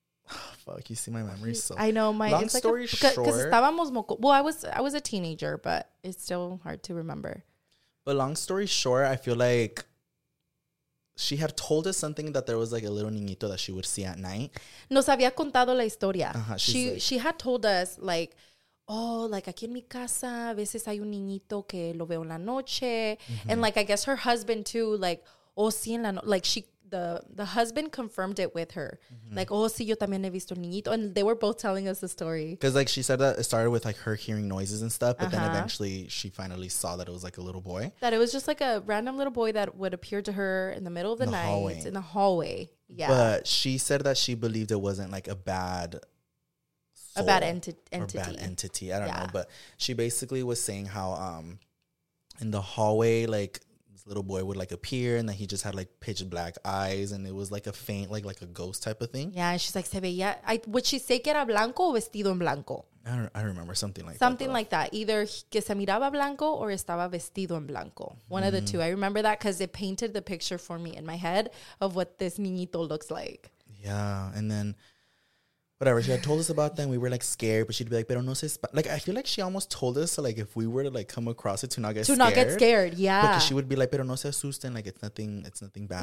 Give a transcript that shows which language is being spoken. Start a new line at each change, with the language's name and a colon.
English: Oh, fuck, you see my memory so. I know, my. Long story short. Because
Spanish: estábamos moco.
English: Well, I was a teenager, but it's still hard to remember. But long story short, I feel like she had told us something that there was like a little niñito that she would see at night.
Spanish: Nos había contado la historia.
English: She had told us like.
Spanish: Oh, like, aquí en mi casa, a veces hay un niñito que lo veo en la noche.
English: And, like, I guess her husband, too, like, oh,
Spanish: sí, en la noche.
English: Like, the husband confirmed it with her. Like, oh,
Spanish: sí, yo también he visto el niñito.
English: And they were both telling us the story. Because, like, she said that it started with, like, her hearing noises and stuff. But then eventually she finally saw that it was, like, a little boy. That it was just, like, a random little boy that would appear to her in the middle of the night. Hallway. In the hallway. Yeah. But she said that she believed it wasn't, like, a bad. A bad entity. I don't know. But she basically was saying how in the hallway, like, this little boy would, like, appear and that he just had, like, pitch black eyes and it was, like, a faint, like a ghost type of thing. Yeah, and she's like,
Spanish: se veía.
English: Would she say
Spanish: que era blanco o vestido en blanco?
English: I remember something like that.
Spanish: Either que se miraba blanco or estaba vestido en blanco.
English: One of the two. I remember that because it painted the picture for me in my head of what this niñito looks like. Yeah, and then whatever. She had told us about them. We were like scared, but she'd be like,
Spanish: pero no se spa.
English: Like, I feel like she almost told us, so, like, if we were to like come across it, to not get scared. Yeah. Because she would be like,
Spanish: pero no se asusten.
English: Like, it's nothing bad.